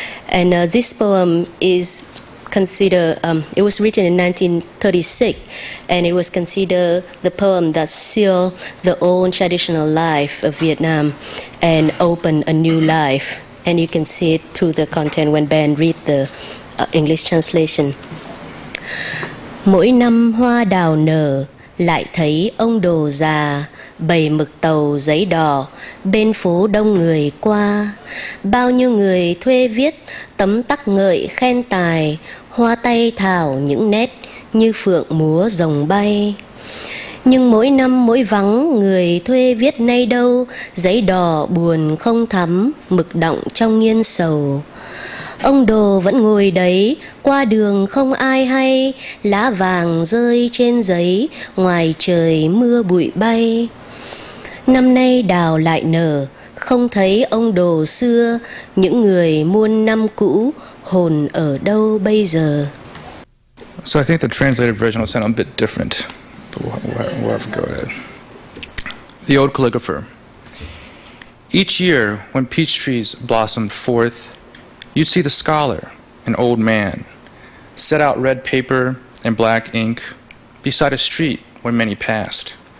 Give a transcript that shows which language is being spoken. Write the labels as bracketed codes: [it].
[en] And this poem is considered, it was written in 1936, and it was considered the poem that sealed the old traditional life of Vietnam and opened a new life. And you can see it through the content when Ben read the English translation. [vi] Mỗi năm hoa đào nở, lại thấy ông đồ già bày mực tàu giấy đỏ bên phố đông người qua. Bao nhiêu người thuê viết tấm tắc ngợi khen tài, hoa tay thảo những nét như phượng múa rồng bay. Nhưng mỗi năm mỗi vắng người thuê viết nay đâu, giấy đỏ buồn không thắm, mực đọng trong nghiên sầu. Ông đồ vẫn ngồi đấy, qua đường không ai hay, lá vàng rơi trên giấy, ngoài trời mưa bụi bay. Năm nay đào lại nở, không thấy ông đồ xưa, những người muôn năm cũ, hồn ở đâu bây giờ? [en] So I think the translated version will sound a bit different. We'll go ahead. The old calligrapher. Each year, when peach trees blossomed forth, you'd see the scholar, an old man, set out red paper and black ink beside a street where many passed.